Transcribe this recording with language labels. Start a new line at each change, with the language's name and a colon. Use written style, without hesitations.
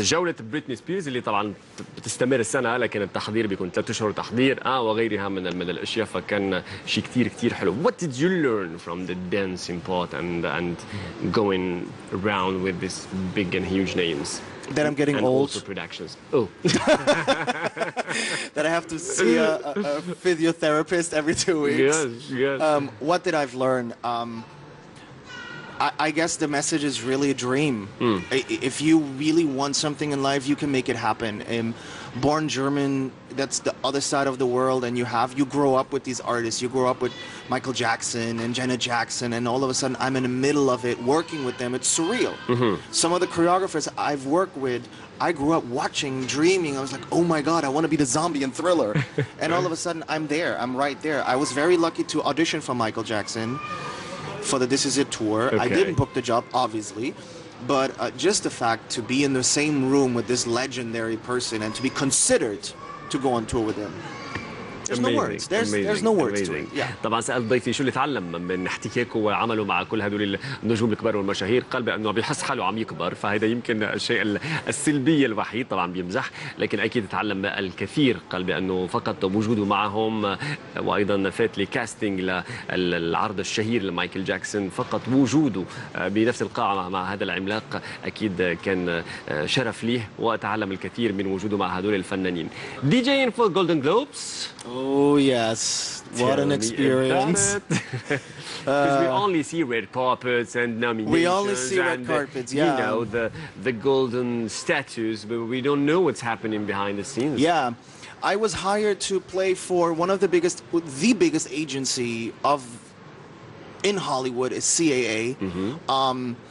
Arabic: جولة بريتني سبيرز اللي طبعا بتستمر السنة لكن التحضير بيكون 3 أشهر تحضير وغيرها من الأشياء فكان شيء كتير كتير حلو.
English: What did you learn from the dancing part and going around with these big and huge names? That I'm getting and old. Also productions. Oh. That I have to see a physiotherapist every 2 weeks. Yes, yes. What did I learn? I guess the message is really a dream. Mm. If you really want something in life, you can make it happen. Born German, that's the other side of the world, and you grow up with these artists. You grow up with Michael Jackson and Janet Jackson, and all of a sudden, I'm in the middle of it, working with them. It's surreal. Mm-hmm. Some of the choreographers I've worked with, I grew up watching, dreaming. I was like, oh my God, I want to be the zombie in Thriller. And all of a sudden, I'm there. I'm right there. I was very lucky to audition for Michael Jackson for the This Is It tour. Okay. I didn't book the job, obviously. But just the fact to be in the same room with this legendary person and to be considered to go on tour with him. There's no words.
Arabic: طبعا سألت ضيفي شو اللي تعلم من احتكاكه وعمله مع كل هدول النجوم الكبار والمشاهير قال بأنه بيحس حاله عم يكبر فهذا يمكن الشيء السلبي الوحيد طبعا بيمزح لكن أكيد تعلم الكثير قال بأنه فقط وجوده معهم وأيضا فات لكاستنج للعرض الشهير لمايكل جاكسون فقط وجوده بنفس القاعة مع هذا العملاق أكيد كان شرف ليه وتعلم الكثير من وجوده مع هدول الفنانين دي جيين فور جولدن جلوبس
English: Oh, yes. What an experience. Because we only see red carpets and nominations. We only see red carpets, You know, the golden statues, but we don't know what's happening behind the scenes. Yeah. I was hired to play for one of the biggest agency of in Hollywood is CAA. Mm-hmm.